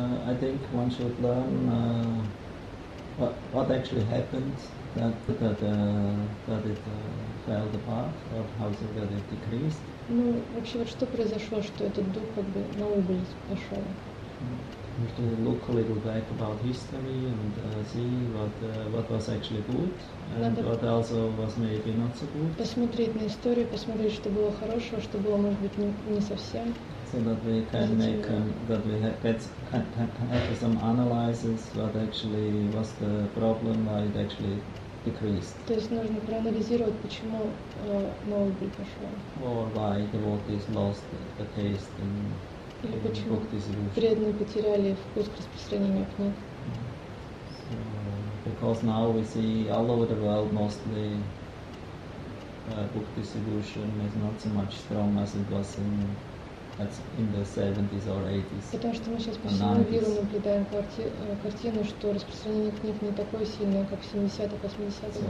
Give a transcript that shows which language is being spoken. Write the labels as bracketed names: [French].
[English] I think one should learn what actually happened that it fell apart or how so that it decreased. [Russian] Ну, вообще, вот что произошло, что этот дух как бы на убыль пошел. [English] We have to look a little back about history and see what was actually good and what also was maybe not so good. [Russian] Посмотреть на историю, посмотреть, что было хорошего, что было, может быть, не совсем. [English] So that we can make that we have some analysis what actually was the problem, why it actually decreased. [Russian] То есть нужно проанализировать, почему новый бы пошел. [English] Or why the devotees lost the taste in. [Russian] Или почему преданные потеряли вкус к распространению книг? [English] So, because now we see all over the world mostly book distribution is not so much strong as it was in in the 70s or 80s. [Russian] Потому что мы сейчас по всему миру наблюдаем картину, что распространение книг не такое сильное, как в 70-х, 80-х